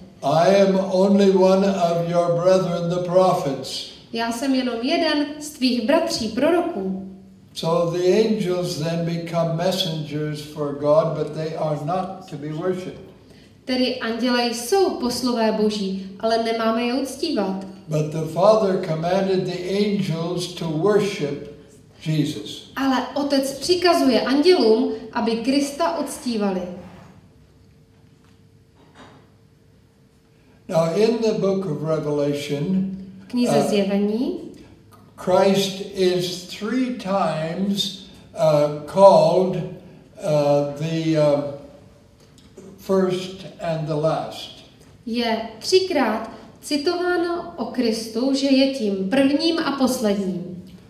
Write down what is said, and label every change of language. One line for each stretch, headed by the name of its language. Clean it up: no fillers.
English: I am only one of your brethren, the prophets.
Czech: Já jsem jenom jeden z tvých bratří proroků.
English: So the angels then become messengers for God, but they are not to be worshipped.
Czech: Tedy anděle jsou poslové Boží, ale nemáme je uctívat.
English: But the Father commanded the angels to worship Jesus.
Czech: Ale Otec přikazuje andělům, aby Krista uctívali.
English: Now in the book of Revelation,
Czech: v knize Zjevení,
English: Christ is three times called the first and the last.
Czech: Je třikrát citováno o Kristu, že je tím prvním a posledním.